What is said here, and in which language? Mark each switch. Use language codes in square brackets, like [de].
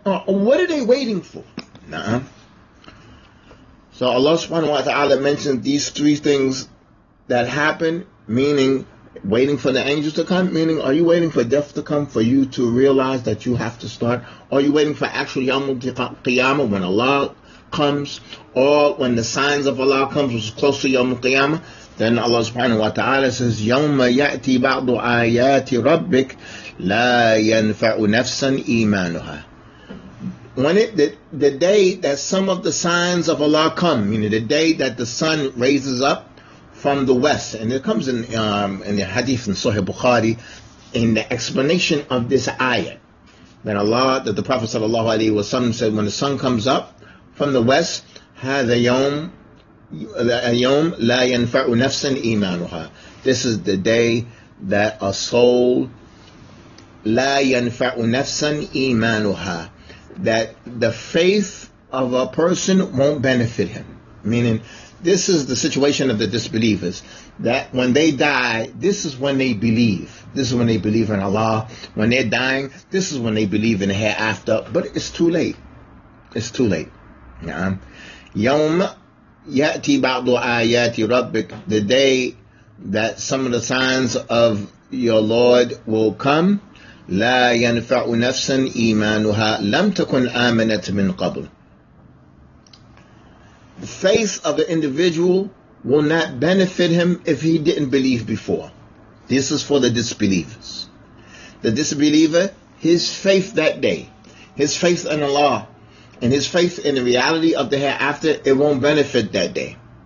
[en] What are they waiting for? Nah. So Allah subhanahu wa ta'ala mentioned these three things that happen, meaning waiting for the angels to come, meaning are you waiting for death to come for you to realize that you have to start? Are you waiting for actual yawm al-qiyamah when Allah comes, or when the signs of Allah comes, which is close to yawm al-qiyamah? [ar] Then Allah subhanahu wa ta'ala says, يَوْمَ يَأْتِي بَعْضُ آيَاتِ رَبِّكَ لَا يَنْفَعُ نَفْسًا إِيمَانُهَا. [en] When the day that some of the signs of Allah come, meaning the day that the sun raises up from the west, and it comes in the hadith in Sahih Bukhari, in the explanation of this ayah, that Allah, that the Prophet sallallahu alayhi wa sallam said, when the sun comes up from the west, [ar] هَذَا يَوْمَ الْيَوْمْ لَا يَنْفَعُ نَفْسًا إِيمَانُهَا. [en] This is the day that a soul, [ar] لَا يَنْفَعُ نَفْسًا إِيمَانُهَا, [en] that the faith of a person won't benefit him. Meaning, this is the situation of the disbelievers, that when they die, this is when they believe. This is when they believe in Allah. When they're dying, this is when they believe in the hereafter. But it's too late. It's too late. Yeah. [ar] يَوْمْ يَأْتِي بَعْضُ آيَاتِ رَبِّكَ, [en] the day that some of the signs of your Lord will come, [ar] لَا يَنْفَعُ نَفْسًا إِيمَانُهَا لَمْ تَكُنْ آمَنَتْ مِنْ قَبْلِ. [en] The faith of the individual will not benefit him if he didn't believe before. This is for the disbelievers. The disbeliever, his faith that day, his faith in Allah, and his faith in the reality of the hereafter, it won't benefit that day.